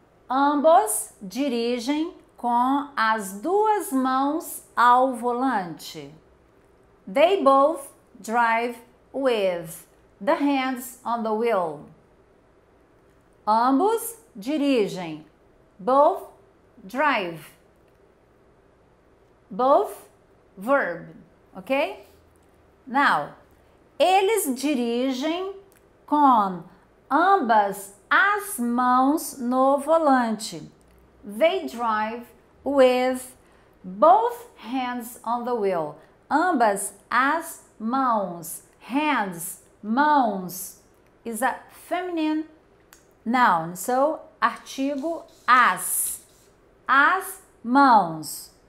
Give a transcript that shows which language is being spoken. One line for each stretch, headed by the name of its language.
Portuguese: Ambos dirigem com as duas mãos ao volante.
English: They both drive with the hands on the wheel.
Portuguese: Ambos dirigem.
English: Both drive. Both verb. Ok?
Portuguese: Now, eles dirigem com ambas as mãos no volante.
English: They drive with both hands on the wheel.
Portuguese: Ambas as mãos.
English: Hands, mãos, is a feminine noun.
Portuguese: So, artigo as. As mãos.